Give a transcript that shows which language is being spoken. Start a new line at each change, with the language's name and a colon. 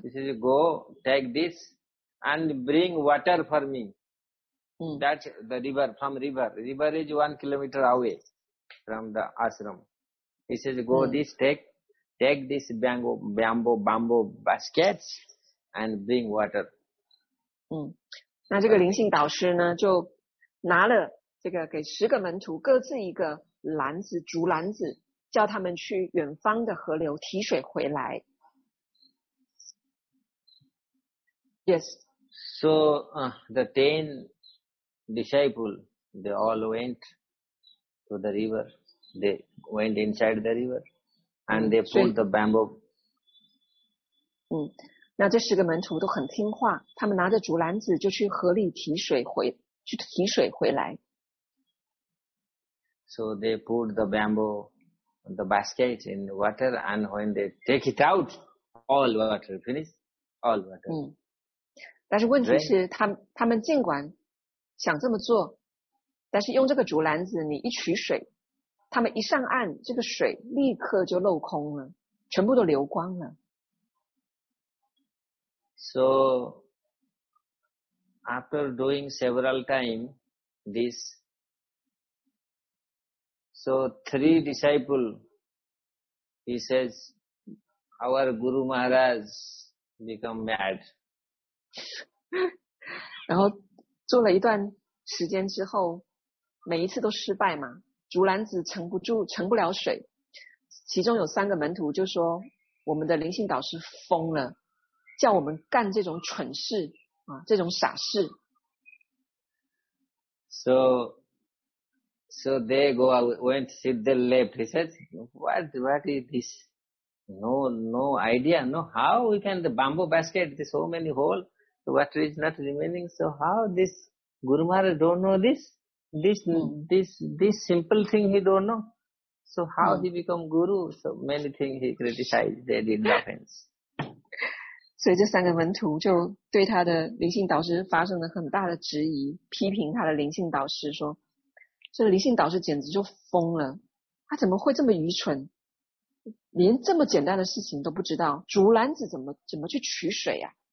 English: He says, go take this and bring water for me. That's the river, from river. River is 1 kilometer away from the ashram. He says, go this, take this bamboo basket and bring water.
Chinese: 那这个灵性导师呢，就拿了这个给十个门徒各自一个篮子，竹篮子。叫他们去远方的河流提水回来。
English: Yes. So, the 10 disciples, they all went to the river. They went inside the river and they pulled the bamboo.
Chinese: 那这十个门徒都很听话，他们拿着竹篮子就去河里提水回来。
English: So they put the bamboo. The basket in water, and when they take it out, all water finish, all water. 但是问题是，他们尽管想这么做，但是用这个竹篮子，你一取水，他们一上岸，这个水立刻就漏空了，全部都流光了。 So after doing several time this. So three disciple, he says, our Guru Maharaj become mad.
Chinese: 然后做了一段时间之后，每一次都失败嘛，竹篮子盛不住，盛不了水。其中有三个门徒就说，我们的灵性导师疯了，叫我们干这种蠢事啊，这种傻事。
English: So they go out, went, sit, they left. He says, what is this? No idea. No, how we can, the bamboo basket, there's so many holes, the water is not remaining. So how this Guru Maharaj don't know this? This simple thing he don't know. So how he become Guru? So many things he criticized, they did the offense.
Chinese: 所以这三个门徒就对他的灵性导师发生了很大的质疑，批评他的灵性导师说，这个灵性导师简直就疯了，他怎么会这么愚蠢，连这么简单的事情都不知道，竹篮子怎么去取水啊。